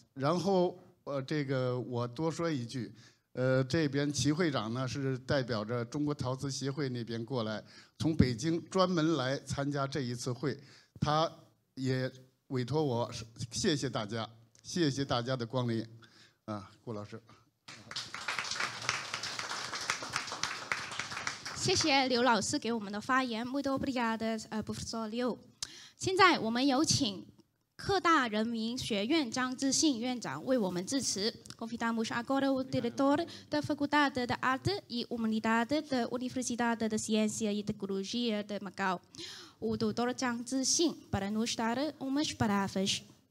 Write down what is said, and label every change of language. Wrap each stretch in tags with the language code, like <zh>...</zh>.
<zh>然后这个我多说一句，这边齐会长呢是代表着中国陶瓷协会那边过来，从北京专门来参加这一次会，他也委托我，谢谢大家，谢谢大家的光临啊，顾老师。谢谢刘老师给我们的发言。</zh> <pt>Muito obrigada, professor Liu。</pt> <zh>现在我们有请科大人民学院张志信院长为我们致辞。</zh> <pt>Convidamos agora o diretor da Faculdade de Arte e Humanidade da Universidade de Ciência e Tecnologia de Macau, o Dr. 张志信, para nos dar umas palavras.</pt>